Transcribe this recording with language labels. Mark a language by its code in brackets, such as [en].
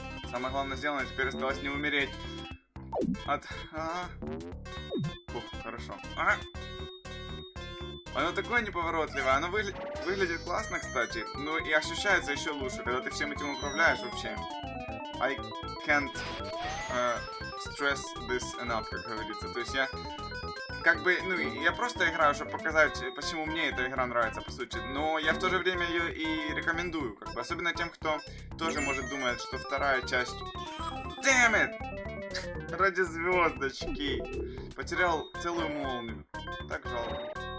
[ru] Самое главное сделано, теперь осталось не умереть. От... Фух, хорошо. Оно такое неповоротливое, оно выглядит классно, кстати, но и ощущается еще лучше, когда ты всем этим управляешь вообще. [en] I can't stress this enough, [ru] как говорится. То есть я как бы, ну, я просто играю, чтобы показать, почему мне эта игра нравится, по сути. Но я в то же время ее и рекомендую, как бы, особенно тем, кто тоже может думать, что вторая часть... [en] Damn it! [ru] Ради звездочки! Потерял целую молнию. Так жалко.